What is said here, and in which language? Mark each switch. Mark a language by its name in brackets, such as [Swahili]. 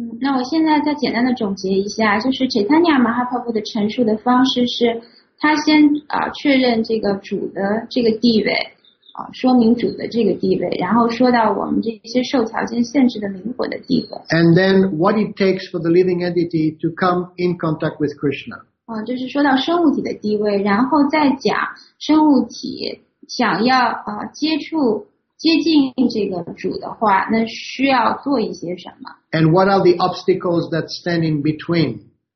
[Chinese] 那我现在再简单的总结一下，就是 Chaitanya Mahaprabhu 的陈述的方式是他先确认这个主的这个地位，说明主的这个地位，然后说到我们这些受条件限制的灵魂的地位。 [English] And then what it takes for the living entity to come in contact with Krishna. [Chinese] 就是说到生物体的地位，然后再讲生物体想要接近这个主的话，那需要做一些什么 [English] ？And what are the obstacles that stand in between？